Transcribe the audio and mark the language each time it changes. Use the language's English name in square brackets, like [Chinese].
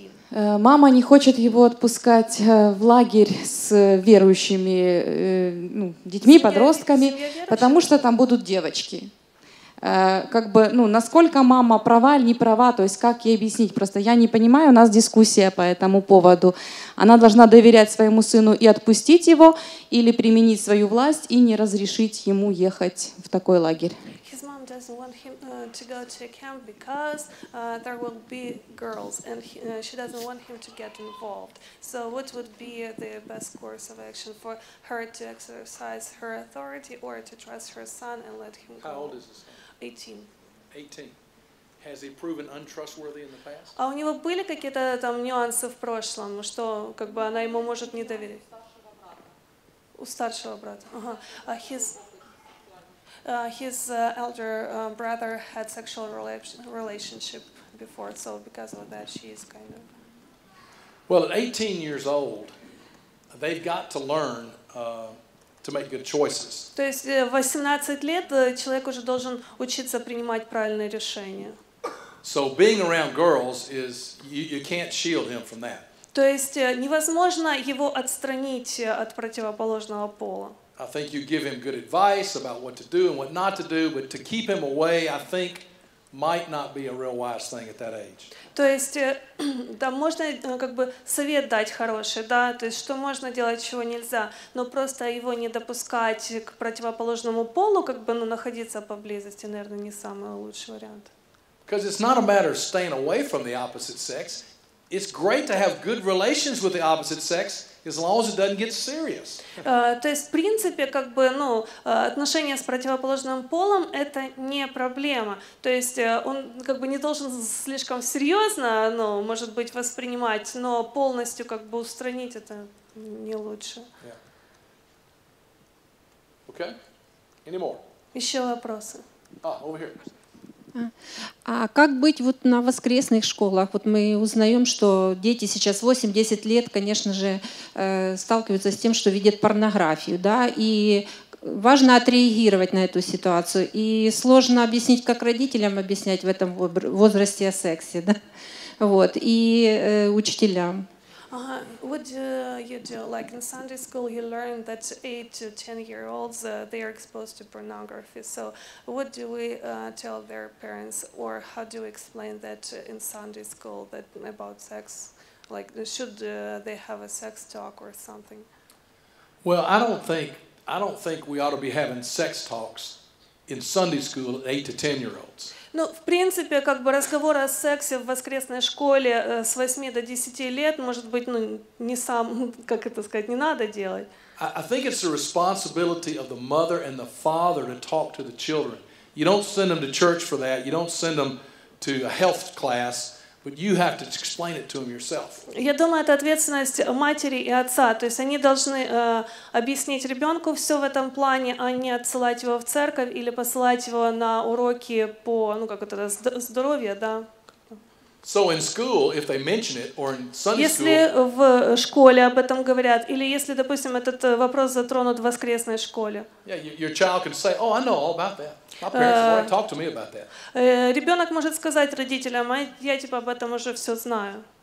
[Russian] Мама не хочет его отпускать в лагерь с верующими детьми, подростками, потому что там будут девочки. Насколько мама права или не права, то есть как ей объяснить? Просто я не понимаю, у нас дискуссия по этому поводу. Она должна доверять своему сыну и отпустить его, или применить свою власть и не разрешить ему ехать в такой лагерь? [English] Doesn't want him to go to a camp because there will be girls, and she doesn't want him to get involved. So, what would be the best course of action for her to exercise her authority or to trust her son and let him How go? How old is his son? 18. 18. Has he proven untrustworthy in the past? [Russian] А у него были какие-то там нюансы в прошлом, что как бы она ему может не доверить? У старшего брата. Ага. [English] His his elder brother had sexual relationship before, so because of that she is kind of... Well, at 18 years old, they've got to learn to make good choices. [Russian] То есть в 18 лет человек уже должен учиться принимать правильные решения. [English] So being around girls is you can't shield him from that. [Russian] То есть невозможно его отстранить от противоположного пола. [English] I think you give him good advice about what to do and what not to do, but to keep him away, I think might not be a real wise thing at that age. [Russian] То есть там можно как бы совет дать хороший, да, то есть что можно делать, чего нельзя, но просто его не допускать к противоположному полу, как бы, ну, находиться поблизости, наверное, не самый лучший вариант. [English] Because it's not a matter of staying away from the opposite sex. It's great to have good relations with the opposite sex as long as it doesn't get serious. [Russian] То есть, в принципе, как бы, ну, отношения с противоположным полом — это не проблема. То есть он как бы не должен слишком серьезно, ну, может быть, воспринимать, но полностью как бы устранить — это не лучше. [English] Yeah. Okay. Any more? [Russian] Еще вопросы. [English] Over here. [Russian] А как быть вот на воскресных школах? Вот мы узнаем, что дети сейчас 8-10 лет, конечно же, сталкиваются с тем, что видят порнографию, да, и важно отреагировать на эту ситуацию. И сложно объяснить, как родителям объяснять в этом возрасте о сексе, да, вот, и учителям. [English] What do you do? Like in Sunday school, you learn that 8 to 10 year olds they are exposed to pornography. So, what do we tell their parents, or how do we explain that in Sunday school that about sex? Like, should they have a sex talk or something? Well, I don't think we ought to be having sex talks in Sunday school at 8 to 10 year olds. [Russian] Ну, в принципе, как бы разговор о сексе в воскресной школе с 8 до 10 лет, может быть, ну, не сам, как это сказать, не надо делать. [English] I think it's the responsibility of the mother and the father to talk to the children. You don't send them to church for that. You don't send them to a health class. But you have to explain it to him yourself. [Russian] Я думаю, это ответственность матери и отца. То есть они должны объяснить ребенку все в этом плане, а не отсылать его в церковь или посылать его на уроки по, ну, как это, здоровье, да. [English] So in school, if they mention it, or in Sunday school. [Russian] Если в школе об этом говорят, или если, допустим, этот вопрос затронут в воскресной школе. [English] Yeah, your child can say, "Oh, I know all about that. My parents already talked to me about that." [Russian] Ребенок может сказать родителям, а я типа об этом уже все знаю.